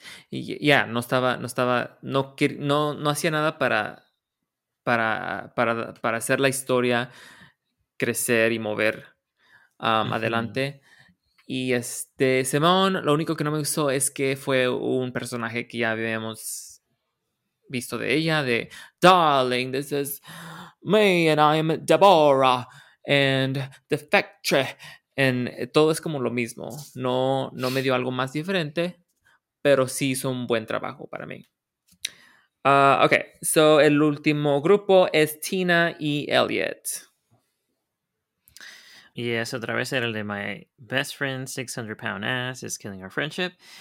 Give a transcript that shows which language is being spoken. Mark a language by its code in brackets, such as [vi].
[es] Y no hacía nada para hacer la historia crecer y mover uh-huh. adelante. Y Simone, lo único que no me gustó es que fue un personaje que ya habíamos visto de ella, de Darling, [en] this is me and I am Deborah and the factory. [es] And todo es como lo mismo. No me dio algo más diferente, pero sí hizo un buen trabajo para mí. Okay, so el último grupo es Tina y Elliot. Y es otra vez era el de [en] My Best Friend, 600 Pound Ass is Killing Our Friendship.